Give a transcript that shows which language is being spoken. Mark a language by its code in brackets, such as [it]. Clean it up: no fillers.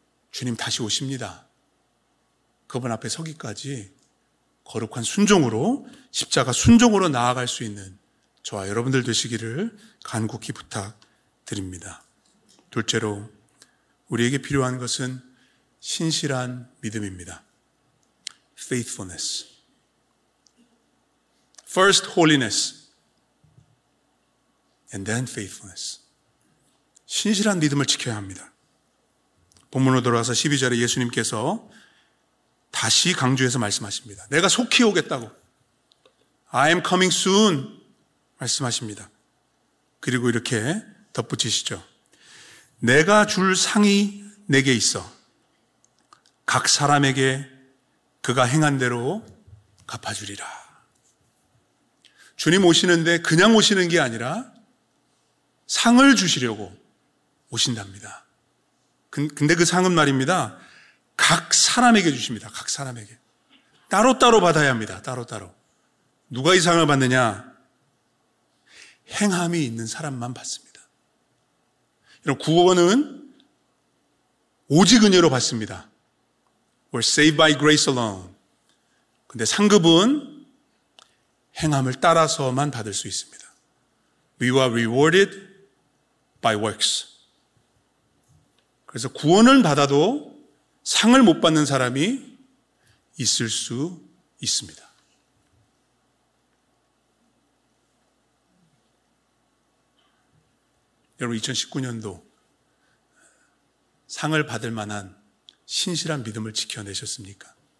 [ko] 주님 다시 오십니다. 그분 앞에 서기까지 거룩한 순종으로 십자가 순종으로 나아갈 수 있는 저와 여러분들 되시기를 간곡히 부탁드립니다. 둘째로 우리에게 필요한 것은 신실한 믿음입니다. [en] Faithfulness. First holiness and then faithfulness. [ko] 신실한 믿음을 지켜야 합니다. 본문으로 돌아와서 12절에 예수님께서 다시 강조해서 말씀하십니다. 내가 속히 오겠다고. [en] I am coming soon. [ko] 말씀하십니다. 그리고 이렇게 덧붙이시죠. 내가 줄 상이 내게 있어. 각 사람에게 그가 행한 대로 갚아주리라. 주님 오시는데 그냥 오시는 게 아니라 상을 주시려고 오신답니다. 근데 그 상은 말입니다. 각 사람에게 주십니다. 각 사람에게. 따로따로 받아야 합니다. 따로따로. 누가 이 상을 받느냐? 행함이 있는 사람만 받습니다. 여러분, 구원은 오직 은혜로 받습니다. [en] We're saved by grace alone. [ko] 근데 상급은 행함을 따라서만 받을 수 있습니다. [en] We were rewarded by works. [ko] 그래서 구원을 받아도 상을 못 받는 사람이 있을 수 있습니다. 여러분, 2019년도 상을 받을 만한 신실한 믿음을 지켜내셨습니까?